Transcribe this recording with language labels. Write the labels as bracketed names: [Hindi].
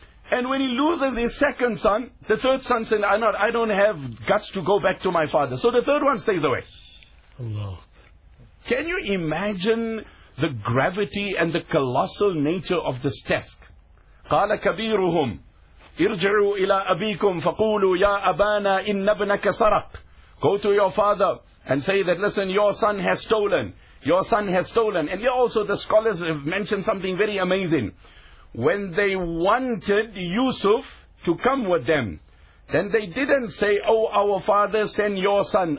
[English] And when he loses his second son, the third son says, I don't have guts to go back to my father. So the third one stays away. Allah. Can you imagine the gravity and the colossal nature of this task? [Arabic] قَالَ كَبِيرُهُمْ ارجعوا إلى أبيكم فقولوا يا أبانا إن ابنك سرق. [English] Go to your father and say that, listen, your son has stolen. Your son has stolen. And here also the scholars have mentioned something very amazing. When they wanted Yusuf to come with them, then they didn't say, oh, our father, send your son.